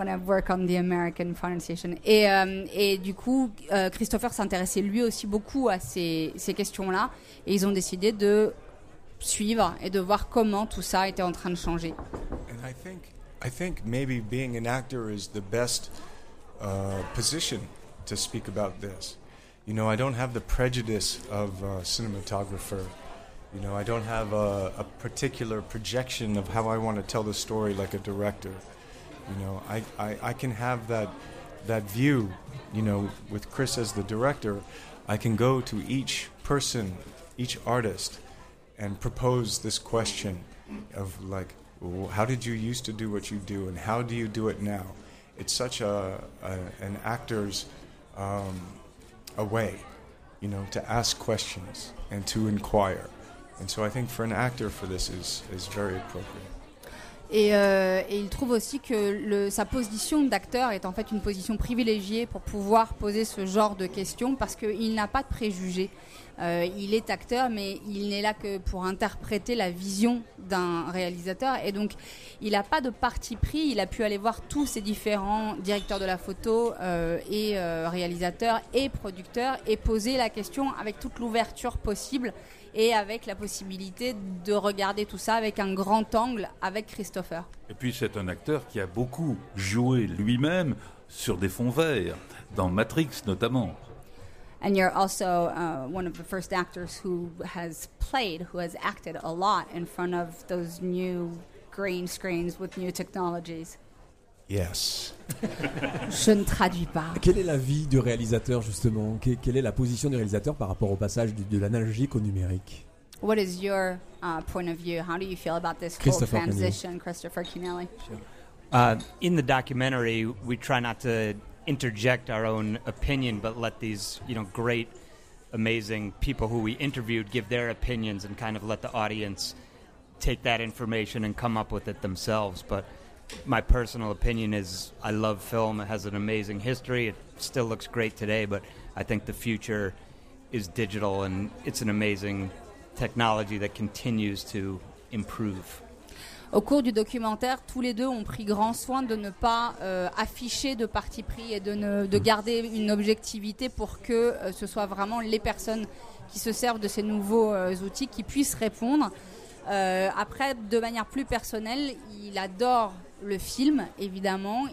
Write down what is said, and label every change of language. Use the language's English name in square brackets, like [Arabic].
[English] I'm going to work on the American pronunciation. [French] Et du coup, Christopher s'intéressait lui aussi beaucoup à ces questions-là, et ils ont décidé de suivre et de voir comment tout ça était en train de changer. [English] And I think maybe being an actor is the best position to speak about this. You know, I don't have the prejudice of a cinematographer. You know, I don't have a particular projection of how I want to tell the story like a director. You know, I can have that view, you know, with Chris as the director. I can go to each person, each artist, and propose this question of, like, how did you used to do what you do, and how do you do it now? It's such an actor's a way, you know, to ask questions and to inquire. And so I think for an actor, for this is very appropriate. [French] Et il trouve aussi que sa position d'acteur est en fait une position privilégiée pour pouvoir poser ce genre de questions, parce qu'il n'a pas de préjugés. Il est acteur, mais il n'est là que pour interpréter la vision d'un réalisateur, et donc il n'a pas de parti pris. Il a pu aller voir tous ces différents directeurs de la photo et réalisateurs et producteurs, et poser la question avec toute l'ouverture possible, et avec la possibilité de regarder tout ça avec un grand angle avec Christopher. Et puis c'est un acteur qui a beaucoup joué lui-même sur des fonds verts, dans Matrix notamment. [English] And you're also one of the first actors who has acted a lot in front of those new green screens with new technologies. Yes. [French] Je ne traduis pas. Quelle est la vie du réalisateur, justement? Quelle est la position du réalisateur par rapport au passage de l'analogique au numérique? [English] What is your point of view? How do you feel about this whole transition, Kinelli. Christopher Kinelli? Sure. In the documentary, we try not to interject our own opinion, but let these, you know, great, amazing people who we interviewed give their opinions, and kind of let the audience take that information and come up with it themselves. But my personal opinion is I love film. It has an amazing history. It still looks great today, but I think the future is digital, and it's an amazing technology that continues to improve. [French] Au cours du documentaire, tous les deux ont pris grand soin de ne pas afficher de parti pris et de garder une objectivité pour que ce soit vraiment les personnes qui se servent de ces nouveaux outils qui puissent répondre. Après, de manière plus personnelle, il adore le film, évidemment.